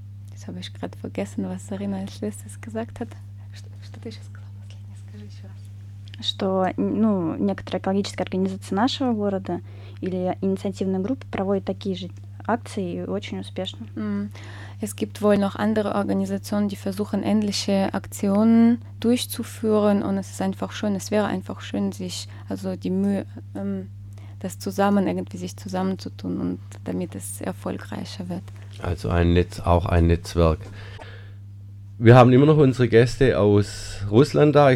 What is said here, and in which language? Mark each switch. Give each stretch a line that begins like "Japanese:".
German: Jetzt habe ich gerade vergessen, was Sarina als letztes gesagt hat.
Russian: Что, ну, некоторые экологические организации нашего города или инициативные группы проводят такие же акции и очень успешно.
German: Es gibt wohl noch andere Organisationen, die versuchen, ähnliche Aktionen durchzuführen, und es ist einfach schön, es wäre einfach schön, sich, also die Mühe, das zusammen, irgendwie sich zusammenzutun, und damit es erfolgreicher wird. Also ein Netz, auch ein Netzwerk. Wir haben immer noch unsere Gäste aus Russland da.